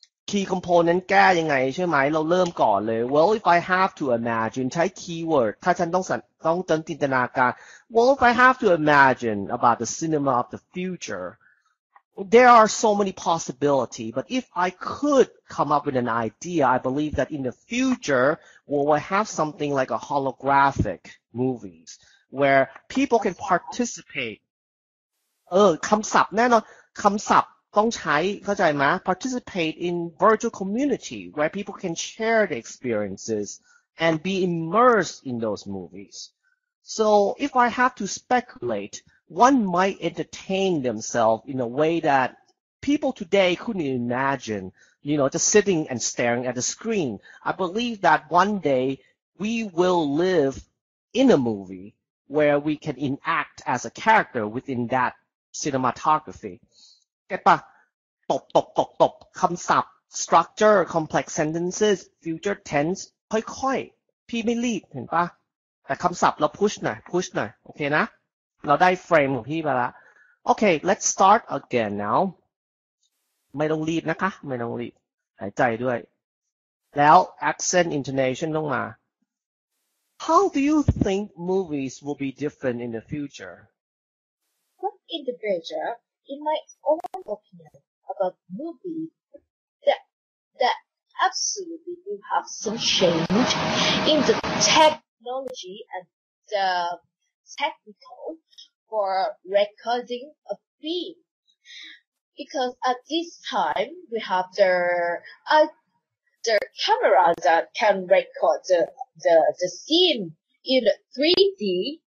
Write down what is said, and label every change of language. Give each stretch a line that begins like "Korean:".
English: key component
Thai: แก้ยังไงใช่ไหมเราเริ่มก่อนเลย
English: well if I have to imagine
Thai: ใช้ keyword ถ้าฉันต้องจินตนาการ
English: well if I have to imagine about the cinema of the futureThere are so many possibilities, but if I could come up with an idea, I believe that in the future, we will have something like a holographic movies where people can participate.
Thai: คำศัพท์แน่นอนคำศัพท์ต้องใช้เข้าใจไหม
English: Participate in virtual community where people can share the experiences and be immersed in those movies. So if I have to speculate,One might entertain themselves in a way that people today couldn't imagine, you know, just sitting and staring at the screen. I believe that one day we will live in a movie where we can enact as a character within that cinematography. Get ba? Top.
Thai: คำศัพท์
English: structure, complex sentences, future tense.
Thai: ค่อยๆพี่ไม่รีบเห็นป่ะแต่คำศัพท์เรา push หน่อยโอเคนะเราได้เฟรมของพี่ไปแล้วโอเค
English: let's start again now
Thai: ไม่ต้องรีบนะคะไม่ต้องรีบหายใจด้วยแล้ว accent intonation ต้องมา
English: How do you think movies will be different in the future? But in the future, in my own opinion about movies, that absolutely will have some change in the technology and the technical. For recording a film, because at this time we have the camera that can record the scene in 3D